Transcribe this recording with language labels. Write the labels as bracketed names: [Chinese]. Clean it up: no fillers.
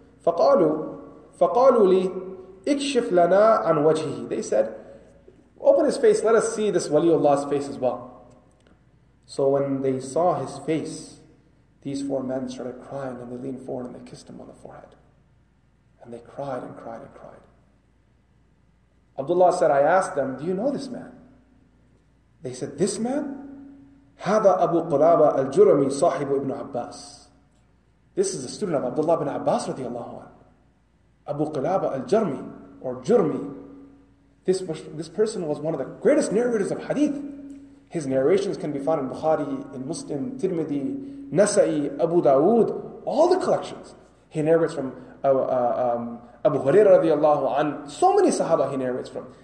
[Arabic] فَقَالُوا لِي اِكْشِفْ لَنَا عَنْ وَجْهِهِ [English] They said, open his face, let us see this Waliullah's face as well. So when they saw his face, these four men started crying and they leaned forward and they kissed him on the forehead. And they cried and cried and cried. Abdullah said, I asked them, do you know this man? They said, this man? [Arabic] هذا أبو قلابة الجرمي صاحب ابن عباس [English] This is a student of Abdullah ibn Abbas [Arabic] رضي الله عنه. [English] Abu Qilaba al-Jarmi, or Jurmi. This person was one of the greatest narrators of hadith. His narrations can be found in Bukhari, in Muslim, Tirmidhi, Nasa'i, Abu Dawood, all the collections. He narrates from Abu Huraira radiallahu anhu, so many sahaba he narrates from.